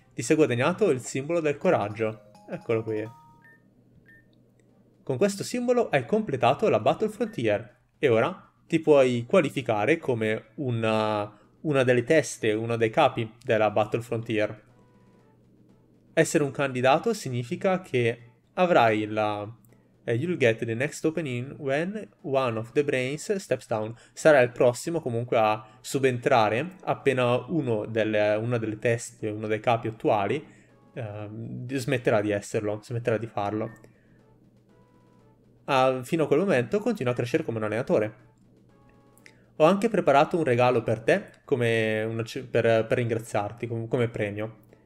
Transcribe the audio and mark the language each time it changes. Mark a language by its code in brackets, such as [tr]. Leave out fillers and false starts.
[it] Ti sei guadagnato il simbolo del coraggio. Eccolo qui. Con questo simbolo hai completato la Battle Frontier. E ora ti puoi qualificare come una delle teste, uno dei capi della Battle Frontier. Essere un candidato significa che avrai la [en] You'll get the next opening when one of the brains steps down. [it] Sarà il prossimo comunque a subentrare appena una delle teste, uno dei capi attuali, smetterà di esserlo, smetterà di farlo. Fino a quel momento continua a crescere come un allenatore. Ho anche preparato un regalo per te, per ringraziarti, come premio.